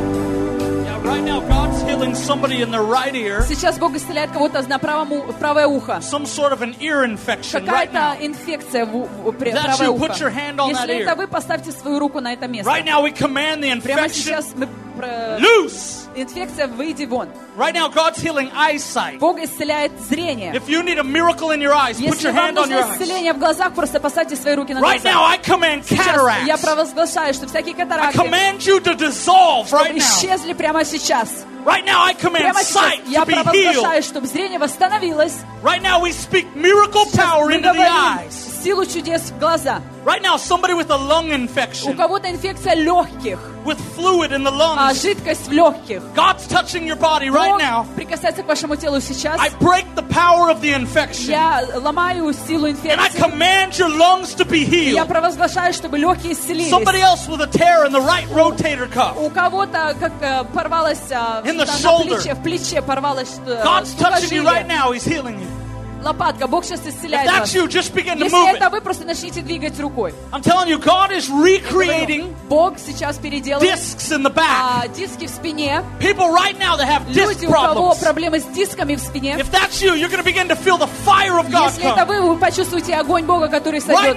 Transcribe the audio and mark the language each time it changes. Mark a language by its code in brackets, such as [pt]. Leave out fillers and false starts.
[en] Yeah, right now God's healing somebody in the right ear. [ru] Сейчас Бог исцеляет кого-то на правом правое ухо. [en] Some sort of an ear infection. [ru] Какая-то инфекция в правое ухо. [en] That you put your hand on that ear. [ru] Если это вы, поставьте свою руку на это место. [en] Right now we command the infection. Loose. [ru] Инфекция, выйди вон. [en] Right now God's healing eyesight. [ru] Бог исцеляет зрение. [en] If you need a miracle in your eyes, [ru] если [en] put your hand on your eyes. [ru] Если вам нужно исцеление в глазах, просто поставьте свои руки на глаза. [en] Right now I command cataracts. [ru] Я провозглашаю, что всякие катаракты. [en] I command you to dissolve right now. [ru] Исчезли прямо сейчас. [en] Right now I command sight to be healed. [ru] Я провозглашаю, чтобы зрение восстановилось. [en] Right now we speak miracle power into the eyes. [ru] Силу чудес в глаза. [en] Right now, somebody with a lung infection. [ru] У кого-то инфекция легких. [en] With fluid in the lungs. [ru] Жидкость в легких. [en] God's touching your body right now. [ru] Бог прикасается к вашему телу сейчас. [en] I break the power of the infection. [ru] Я ломаю силу инфекции. [en] And I command your lungs to be healed. [ru] Я провозглашаю, чтобы легкие исцелились. [en] Somebody else with a tear in the right rotator cuff. [ru] У кого-то как порвалось [en] in the shoulder. [ru] В плече порвалось. [en] God's touching you right now. He's healing you. [ru] Лопатка, Бог сейчас исцеляет [en] вас. You, just begin to [ru] если [en] move [ru] это вы, просто начните двигать рукой. [en] I'm telling you, God is recreating. [ru] Бог сейчас переделывает [en] discs in the back. [ru] Диски в спине. [en] People right now that have disc [ru] problems. Люди, у кого проблемы с дисками в спине. [en] If that's you, you're going to begin to feel the fire of God. [ru] Если это вы почувствуете огонь Бога, который сойдет.